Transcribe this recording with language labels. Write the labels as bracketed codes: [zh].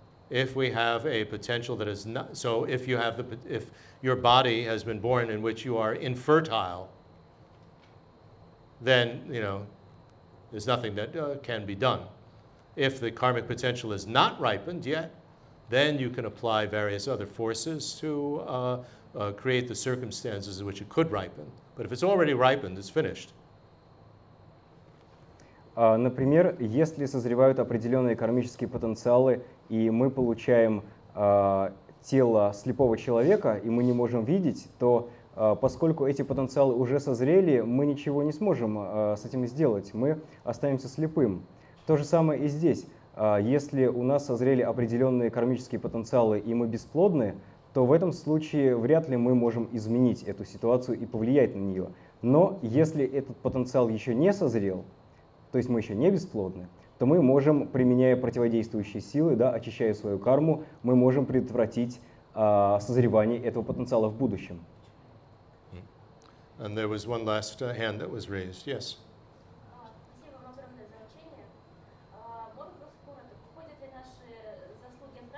[en] If we have a potential that is not, so if you have the, if your body has been born in which you are infertile, then, you know, there's nothing that can be done. If the karmic potential is not ripened yet, then you can apply various other forces to create the circumstances in which it could ripen. But if it's already ripened, it's finished. [ru] Например, если созревают определенные кармические потенциалы, и мы получаем тело слепого человека, и мы не можем видеть, то поскольку эти потенциалы уже созрели, мы ничего не сможем с этим сделать. Мы останемся слепым. То же самое и здесь. Если у нас созрели определенные кармические потенциалы, и мы бесплодны, то в этом случае вряд ли мы можем изменить эту ситуацию и повлиять на нее. Но если этот потенциал еще не созрел, то есть мы еще не бесплодны, то мы можем, применяя противодействующие силы, да, очищая свою карму, мы можем предотвратить созревание этого потенциала в будущем. [en] And there was one last hand that was raised. Yes. [ru] Спасибо вам огромное за общение. Может быть, какой-то приходят ли наши заслуги?